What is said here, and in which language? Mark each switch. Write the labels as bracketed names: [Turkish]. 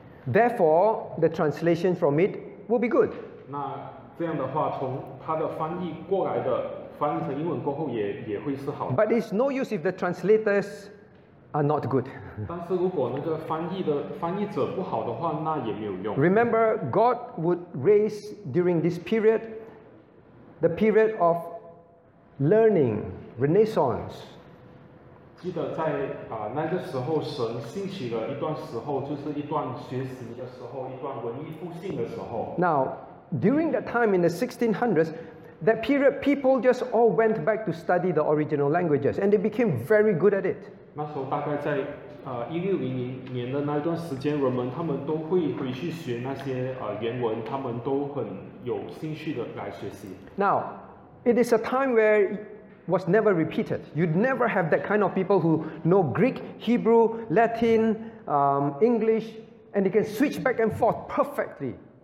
[English] Therefore, the translation from it will be good. [Chinese] 那这样的话, 从它的翻译过来的, 翻译成英文过后也会是好. [English] But it's no use if the translators are not good. [Chinese] 但是如果那个翻译者不好的话, 那也没有用. [English] Remember, God would raise during this period, the period of learning, Renaissance. [Chinese] 记得在, 那个时候, 神兴起了一段时候, 就是一段学习的时候, 一段文艺复兴的时候, [English] Now, during that time in the 1600s, that period, people just all went back to study the original languages, and they became very good at it. [Chinese] 那时候大概在, 1600年的那段时间, 人们他们都会回去学那些, 原文, 他们都很有兴趣的来学习. [English] Now, it is a time where was never repeated. You'd never have that kind of people who know Greek, Hebrew, Latin, English, and they can switch back and forth perfectly.